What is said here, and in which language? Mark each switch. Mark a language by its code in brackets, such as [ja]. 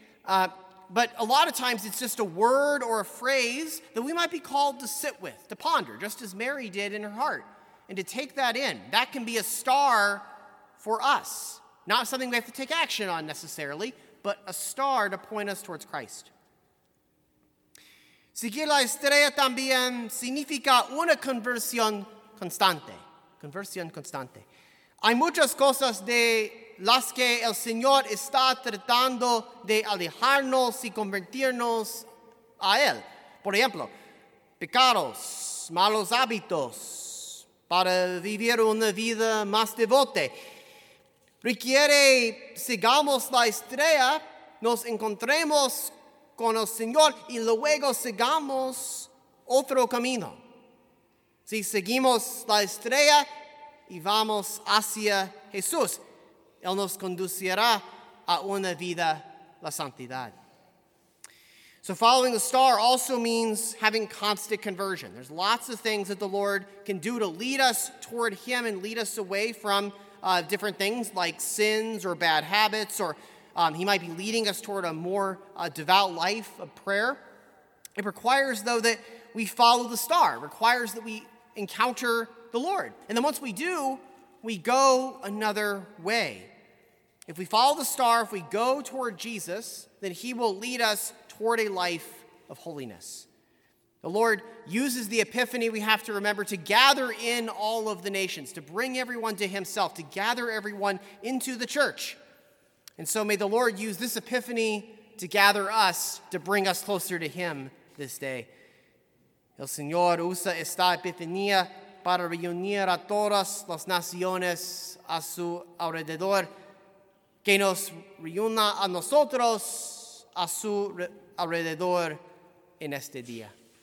[en] But a lot of times it's just a word or a phrase that we might be called to sit with, to ponder, just as Mary did in her heart, and to take that in. That can be a star for us, not something we have to take action on necessarily, but a star to point us towards Christ. [es] Seguir la estrella también significa una conversión constante. Conversión constante. Hay muchas cosas de las que el Señor está tratando de alejarnos y convertirnos a Él. Por ejemplo, pecados, malos hábitos, para vivir una vida más devota. Requiere sigamos la estrella, nos encontremos con el Señor y luego sigamos otro camino. Si seguimos la estrella y vamos hacia Jesús, Él nos conducirá a una vida la santidad. [en] So following the star also means having constant conversion. There's lots of things that the Lord can do to lead us toward him and lead us away from different things like sins or bad habits, or he might be leading us toward a more devout life of prayer. It requires, though, that we follow the star. It requires that we encounter the Lord. And then once we do, we go another way. If we follow the star, if we go toward Jesus, then he will lead us toward a life of holiness. The Lord uses the epiphany, we have to remember, to gather in all of the nations, to bring everyone to himself, to gather everyone into the church. And so may the Lord use this epiphany to gather us, to bring us closer to him this day. [es] El Señor usa esta epifanía para reunir a todas las naciones a su alrededor. Que nos reúna a nosotros a su alrededor en este día.